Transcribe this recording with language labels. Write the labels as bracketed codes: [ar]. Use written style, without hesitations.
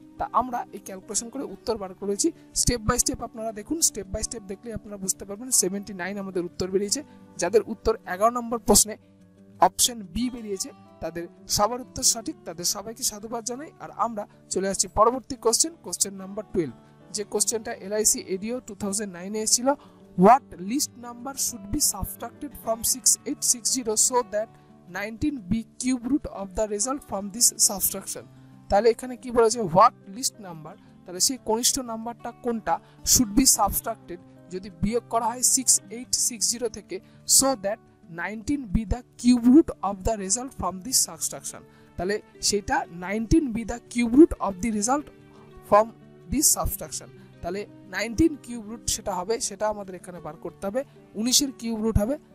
[bn] তা আমরা এই ক্যালকুলেশন করে উত্তর বার করেছি, স্টেপ বাই স্টেপ আপনারা দেখুন, স্টেপ বাই স্টেপ দেখলে আপনারা বুঝতে পারবেন 79 আমাদের উত্তর বেরিয়েছে। যাদের উত্তর 11 নম্বর প্রশ্নে অপশন বি বেরিয়েছে তাদের সবার উত্তর সঠিক, তাদের সবাইকে সাধুবাদ জানাই। আর আমরা চলে আসছি পরবর্তী কোশ্চেন, কোশ্চেন নাম্বার 12, যে কোশ্চেনটা এলআইসি এডিও 2009 এসেছিল। [en] What least number should be subtracted from 6860 so that 19b cube root of the result from this subtraction? [bn] তাহলে এখানে কি বলেছে, [en] what least number, [bn] তাহলে সেই কনিষ্ঠ নাম্বারটা কোনটা, [en] should be subtracted, [bn] যদি বিয়োগ করা হয় 6860 থেকে, [en] so that 19b the cube root of the result from this subtraction, [bn] তাহলে সেটা [en] 19b the cube root of the result from this subtraction, [bn] তাহলে 19 কিউব রুট সেটা হবে, সেটা আমাদের এখানে বার করতে হবে, 19 এর কিউব রুট হবে।